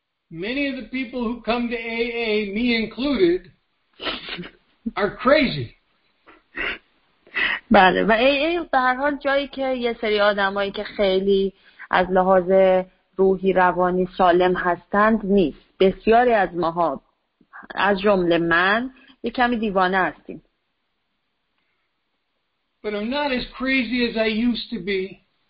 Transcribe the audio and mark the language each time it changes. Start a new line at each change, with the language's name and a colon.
English: Many of the people who come to AA, me included, are crazy.
Persian: بله، و AA به هر حال جایی که یه سری آدمایی که خیلی از لحاظ روحی روانی سالم هستند نیست. بسیاری از ماها از جمله من یه کمی دیوانه هستیم.
English: But I'm not as crazy as I used to be.